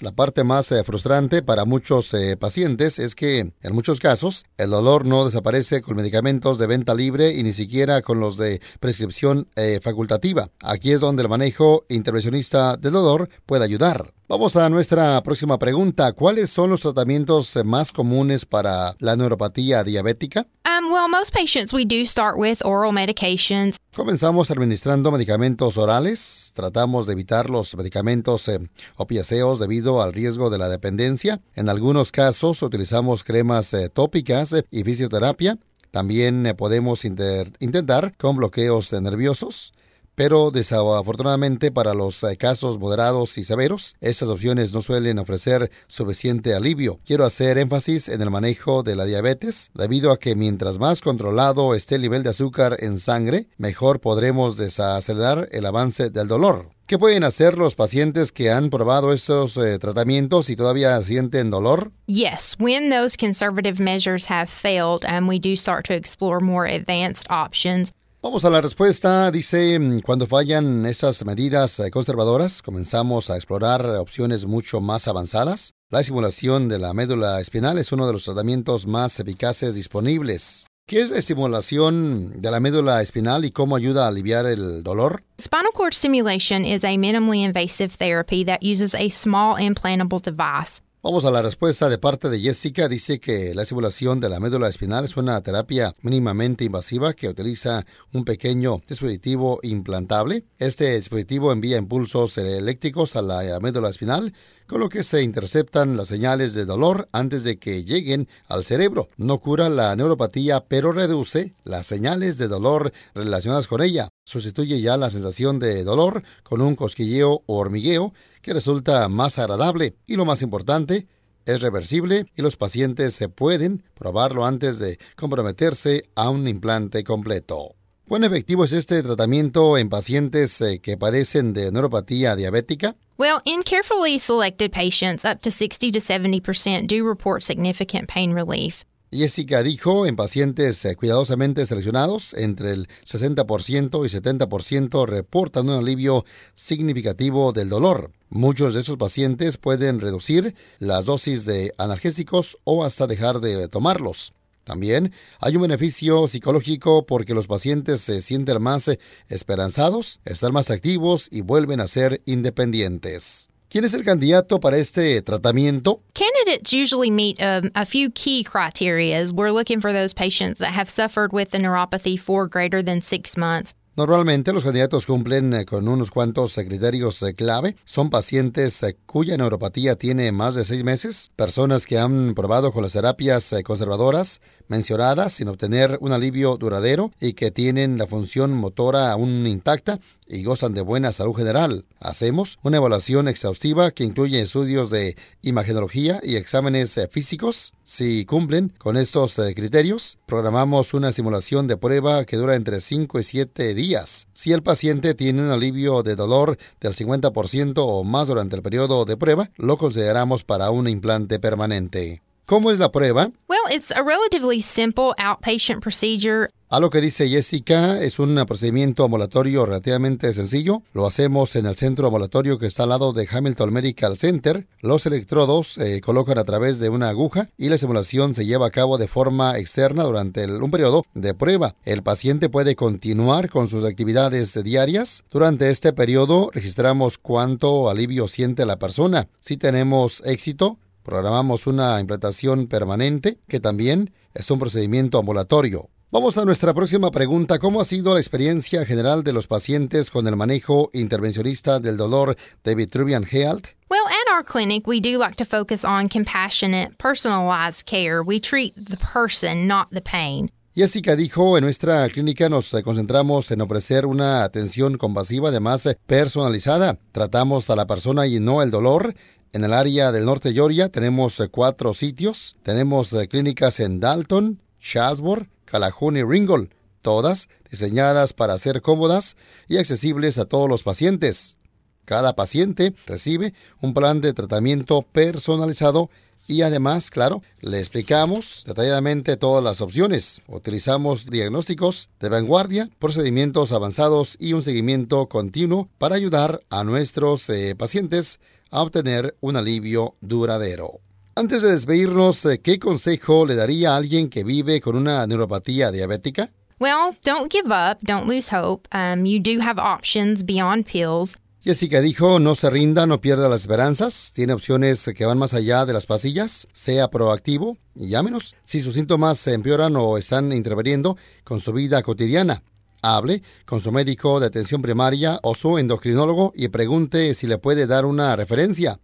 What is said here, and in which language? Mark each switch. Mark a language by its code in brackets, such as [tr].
[es] La parte más frustrante para muchos pacientes es que, en muchos casos, el dolor no desaparece con medicamentos de venta libre y ni siquiera con los de prescripción facultativa. Aquí es donde el manejo intervencionista del dolor puede ayudar. Vamos a nuestra próxima pregunta. ¿Cuáles son los tratamientos más comunes para la neuropatía diabética? [en] Well, most patients we do start with oral medications. [es] Comenzamos administrando medicamentos orales. Tratamos de evitar los medicamentos opiáceos debido al riesgo de la dependencia. En algunos casos utilizamos cremas tópicas y fisioterapia. También podemos intentar con bloqueos nerviosos. Pero desafortunadamente para los casos moderados y severos, estas opciones no suelen ofrecer suficiente alivio. Quiero hacer énfasis en el manejo de la diabetes, debido a que mientras más controlado esté el nivel de azúcar en sangre, mejor podremos desacelerar el avance del dolor. ¿Qué pueden hacer los pacientes que han probado esos tratamientos y todavía sienten dolor? [en] Yes, when those conservative measures have failed, we do start to explore more advanced options. [es] Vamos a la respuesta. Dice, cuando fallan esas medidas conservadoras, comenzamos a explorar opciones mucho más avanzadas. La estimulación de la médula espinal es uno de los tratamientos más eficaces disponibles. ¿Qué es la estimulación de la médula espinal y cómo ayuda a aliviar el dolor? [en] Spinal cord stimulation is a minimally invasive therapy that uses a small implantable device. [es] Vamos a la respuesta de parte de Jessica. Dice que la estimulación de la médula espinal es una terapia mínimamente invasiva que utiliza un pequeño dispositivo implantable. Este dispositivo envía impulsos eléctricos a la médula espinal, con lo que se interceptan las señales de dolor antes de que lleguen al cerebro. No cura la neuropatía, pero reduce las señales de dolor relacionadas con ella. Sustituye ya la sensación de dolor con un cosquilleo o hormigueo que resulta más agradable. Y lo más importante, es reversible y los pacientes se pueden probarlo antes de comprometerse a un implante completo. ¿Cuán efectivo es este tratamiento en pacientes que padecen de neuropatía diabética? [en] Well, in carefully selected patients, up to 60-70% do report significant pain relief. [es] Jessica dijo, en pacientes cuidadosamente seleccionados, entre el 60% y 70% reportan un alivio significativo del dolor. Muchos de esos pacientes pueden reducir las dosis de analgésicos o hasta dejar de tomarlos. También hay un beneficio psicológico porque los pacientes se sienten más esperanzados, están más activos y vuelven a ser independientes. ¿Quién es el candidato para este tratamiento? [en] Candidates usually meet a few key criteria. We're looking for those patients that have suffered with the neuropathy for greater than 6 months. [es] Normalmente los candidatos cumplen con unos cuantos criterios clave. Son pacientes cuya neuropatía tiene más de 6 meses, personas que han probado con las terapias conservadoras mencionadas sin obtener un alivio duradero y que tienen la función motora aún intacta y gozan de buena salud general. Hacemos una evaluación exhaustiva que incluye estudios de imagenología y exámenes físicos. Si cumplen con estos criterios, programamos una simulación de prueba que dura entre 5 y 7 días. Si el paciente tiene un alivio de dolor del 50% o más durante el periodo de prueba, lo consideramos para un implante permanente. ¿Cómo es la prueba? [en] Well, it's a relatively simple outpatient procedure. [es] A lo que dice Jessica, es un procedimiento ambulatorio relativamente sencillo. Lo hacemos en el centro ambulatorio que está al lado de Hamilton Medical Center. Los electrodos se colocan a través de una aguja y la simulación se lleva a cabo de forma externa durante un periodo de prueba. El paciente puede continuar con sus actividades diarias. Durante este periodo, registramos cuánto alivio siente la persona. Si tenemos éxito, programamos una implantación permanente, que también es un procedimiento ambulatorio. Vamos a nuestra próxima pregunta. ¿Cómo ha sido la experiencia general de los pacientes con el manejo intervencionista del dolor de Vitruvian Health? [en] Well, at our clinic, we do like to focus on compassionate, personalized care. We treat the person, not the pain. [es] Jessica dijo, en nuestra clínica nos concentramos en ofrecer una atención compasiva, además personalizada. Tratamos a la persona y no el dolor. En el área del norte de Georgia tenemos 4 sitios. Tenemos clínicas en Dalton, Shasbor, Calhoun y Ringgold, todas diseñadas para ser cómodas y accesibles a todos los pacientes. Cada paciente recibe un plan de tratamiento personalizado y además, claro, le explicamos detalladamente todas las opciones. Utilizamos diagnósticos de vanguardia, procedimientos avanzados y un seguimiento continuo para ayudar a nuestros pacientes a obtener un alivio duradero. Antes de despedirnos, ¿qué consejo le daría a alguien que vive con una neuropatía diabética? [en] Well, don't give up, don't lose hope. You do have options beyond pills. [es] Jessica dijo, no se rinda, no pierda las esperanzas. Tiene opciones que van más allá de las pastillas. Sea proactivo y llámenos. Si sus síntomas se empeoran o están interviniendo con su vida cotidiana, hable con su médico de atención primaria o su endocrinólogo y pregunte si le puede dar una referencia.